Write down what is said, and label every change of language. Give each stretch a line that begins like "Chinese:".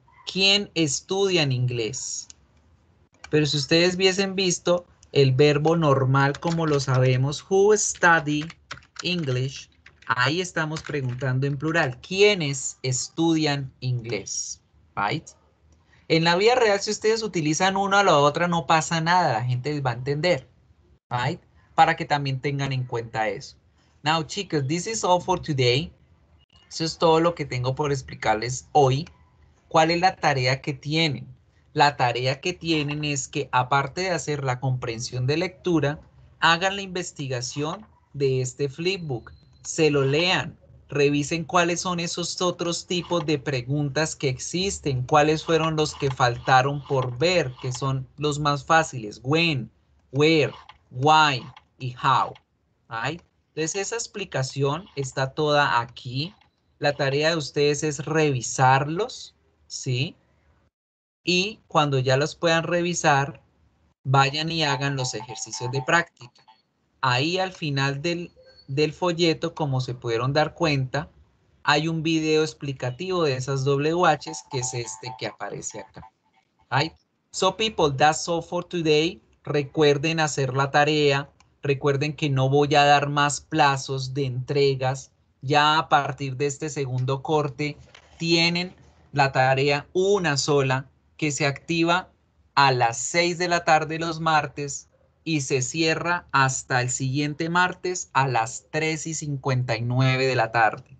Spanish: ¿Quién estudia en inglés? Pero si ustedes hubiesen visto el verbo normal como lo sabemos,
English: who study English,
Spanish: ahí estamos preguntando en plural, ¿quiénes estudian inglés?
English: Right?
Spanish: En la vida real, si ustedes utilizan una o la otra, no pasa nada, la gente les va a entender.
English: Right?
Spanish: Para que también tengan en cuenta eso.
English: Now, chicos, this is all for today.
Spanish: Eso es todo lo que tengo por explicarles hoy. ¿Cuál es la tarea que tienen? La tarea que tienen es que, aparte de hacer la comprensión de lectura, hagan la investigación de este flipbook. Se lo lean. Revisen cuáles son esos otros tipos de preguntas que existen. ¿Cuáles fueron los que faltaron por ver? Que son los más fáciles.
English: When, where, why y how. ¿Ay?
Spanish: Entonces, esa explicación está toda aquí. La tarea de ustedes es revisarlos. ¿Sí? Y cuando ya los puedan revisar, vayan y hagan los ejercicios de práctica. Ahí al final del folleto, como se pudieron dar cuenta, hay un video explicativo de esas WHs, que es este que aparece acá. Right.
English: So people, that's all for today.
Spanish: Recuerden hacer la tarea. Recuerden que no voy a dar más plazos de entregas. Ya a partir de este segundo corte, tienen la tarea una sola que se activa a las 6 de la tarde los martes y se cierra hasta el siguiente martes a las 3:59 de la tarde.